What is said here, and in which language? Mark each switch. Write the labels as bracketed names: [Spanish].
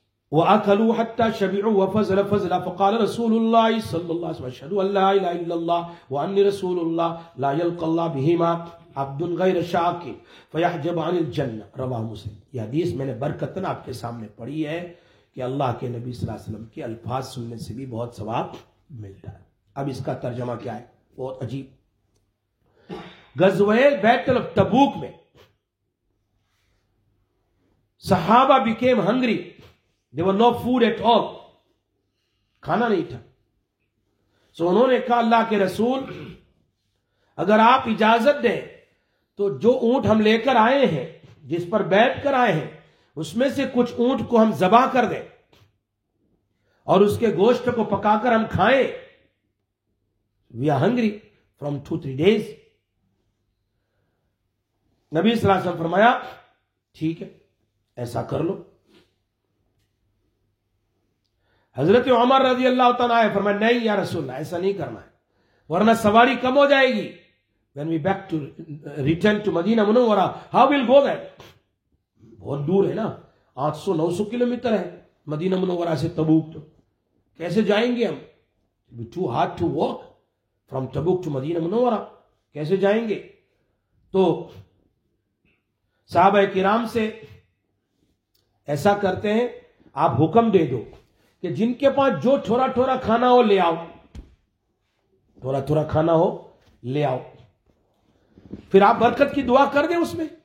[Arabic] وأكلوا حتى شبعوا وفزل فقال رسول الله صلى الله عليه وسلم أشهد أن لا إله إلا الله وأني رسول الله لا يلقى الله بهما عبد غير شاكر فيحجب عن الجنة رواه مسلم. [Urdu] یہ حدیث میں نے برکتن آپ کے سامنے پڑھی ہے کہ اللہ کے نبی صلی اللہ علیہ وسلم کے الفاظ سننے سے بھی بہت ثواب ملتا ہے. اب اس کا ترجمہ کیا ہے؟ بہت عجیب. غزوہ بیت تبوک میں صحابہ became Hungary, [English] there were no food at all, [Urdu] کھانا نہیں تھا. سو انہوں نے کہا اللہ کے رسول اگر آپ اجازت دیں تو جو اونٹ ہم لے کر آئے ہیں جس پر بیٹھ کر آئے ہیں اس میں سے کچھ اونٹ کو ہم ذبح کر دیں اور اس کے گوشت کو پکا کر ہم کھائیں. [English] We are hungry from 2-3 days. [Urdu] نبی صلی اللہ علیہ وسلم فرمایا ٹھیک ہے ایسا کر لو. حضرت عمر رضی اللہ تعالیٰ عنہ فرمایا نہیں یا رسول اللہ ایسا نہیں کرنا ہے ورنہ سواری کم ہو جائے گی. [English] When we back to return to Madinah Munawwarah, how we'll go there? [Urdu] بہت دور ہے نا, 800-900 kilometers ہے مدینہ منورہ سے تبوک, تو کیسے جائیں گے ہم؟ [English] It'll be too hard to walk from Tabuk to Madinah Munawwarah, [Urdu] کیسے جائیں گے؟ تو صحابہ کرام سے ایسا کرتے ہیں, آپ حکم دے دو کہ جن کے پاس جو تھوڑا تھوڑا کھانا ہو لے آؤ, تھوڑا تھوڑا کھانا ہو لے آؤ, پھر آپ برکت کی دعا کر دیں اس میں.